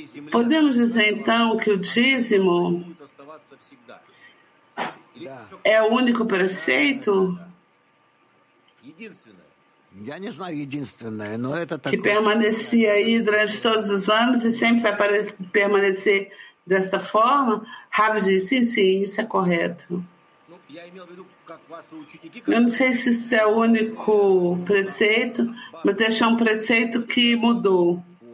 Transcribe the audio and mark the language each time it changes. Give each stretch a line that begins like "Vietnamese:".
Portuguese: Podemos dizer então que o dízimo é o único preceito?
Russian: Единственное. Я не знаю, единственное, но это такое.
Portuguese: Que permanecia aí durante todos os anos e sempre vai permanecer desta forma? Rabi diz, sim, sim, isso é correto. Eu não sei se isso é o único preceito, mas este é um preceito que mudou.